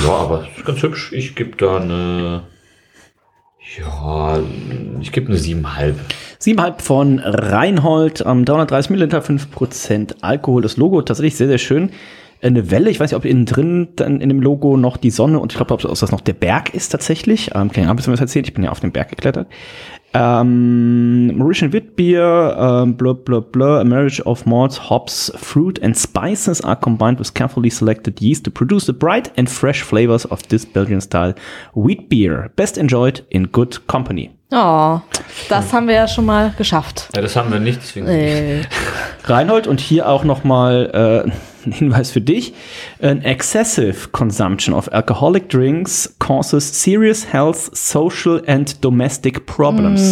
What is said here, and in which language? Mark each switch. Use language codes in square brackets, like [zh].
[de] Ja, aber es ist ganz hübsch. Ich gebe da eine... Ja, ich gebe eine 7,5 von Reinhold, 330 Milliliter, 5% Alkohol. Das Logo tatsächlich sehr, sehr schön. Eine Welle, ich weiß nicht, ob innen drin dann in dem Logo noch die Sonne und ich glaube, ob das noch der Berg ist tatsächlich. Keine Ahnung, bisschen was erzählt, ich bin ja auf den Berg geklettert. [en] Mauritian Witbier, a marriage of malts, hops, fruit and spices are combined with carefully selected yeast to produce the bright and fresh flavors of this Belgian style wheat beer. Best enjoyed in good company. [de] Oh, das haben wir ja schon mal geschafft. Ja, das haben wir nicht, deswegen nicht. Reinhold, und hier auch nochmal ein Hinweis für dich. [en] An excessive consumption of alcoholic drinks causes serious health, social and domestic problems.